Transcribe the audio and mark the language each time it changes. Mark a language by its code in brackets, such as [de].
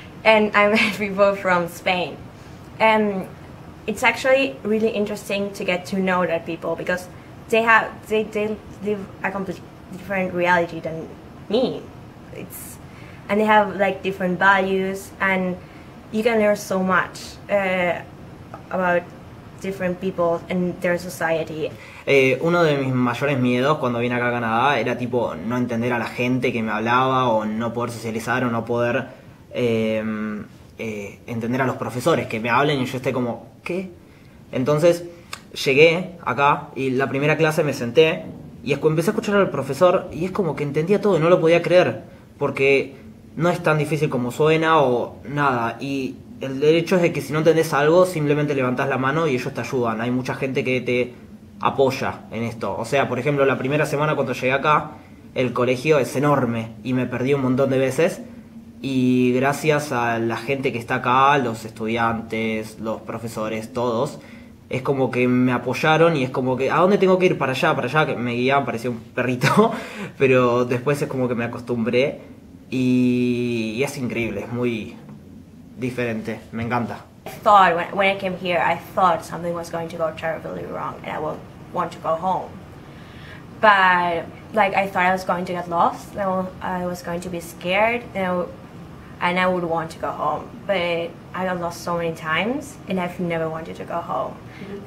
[en] And I met people from Spain. And it's actually really interesting to get to know that people, because they live a completely different reality than me. And they have like different values, and you can learn so much about different people and their society. [es] Uno de mis mayores miedos cuando vine acá a Canadá era tipo no entender a la gente que me hablaba, o no poder socializar, o no poder entender a los profesores que me hablen y yo esté como, ¿qué? Entonces llegué acá y la primera clase me senté y empecé a escuchar al profesor y es como que entendía todo y no lo podía creer, porque no es tan difícil como suena o nada. Y el derecho es de que si no entendés algo, simplemente levantás la mano y ellos te ayudan. Hay mucha gente que te apoya en esto. O sea, por ejemplo, la primera semana cuando llegué acá, el colegio es enorme y me perdí un montón de veces. Y gracias a la gente que está acá, los estudiantes, los profesores, todos, es como que me apoyaron y es como que, ¿a dónde tengo que ir? Para allá, que me guiaban, parecía un perrito. Pero después es como que me acostumbré. Y es increíble, es muy diferente, me encanta. [en] I thought, when I came here, I thought something was going to go terribly wrong and I would want to go home. But, like, I thought I was going to get lost, and I was going to be scared, and I would want to go home. But I got lost so many times, and I've never wanted to go home. Mm-hmm.